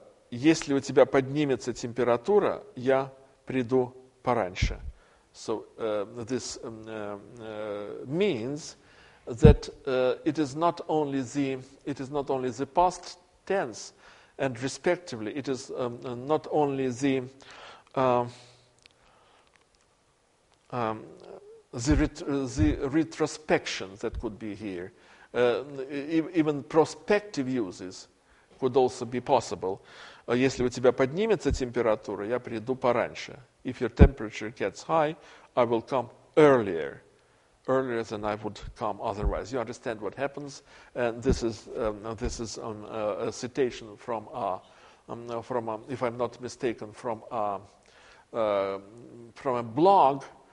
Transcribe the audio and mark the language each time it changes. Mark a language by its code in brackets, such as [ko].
[ru] Если у тебя поднимется температура, я приду пораньше. [en] So this means that it is not only the past tense, and respectively, it is not only the retrospection that could be here. Even prospective uses could also be possible. [ru] Если у тебя поднимется температура, я приду пораньше. [en] If your temperature gets high, I will come earlier than I would come otherwise. You understand what happens, and this is a citation from a, if I'm not mistaken, from a blog,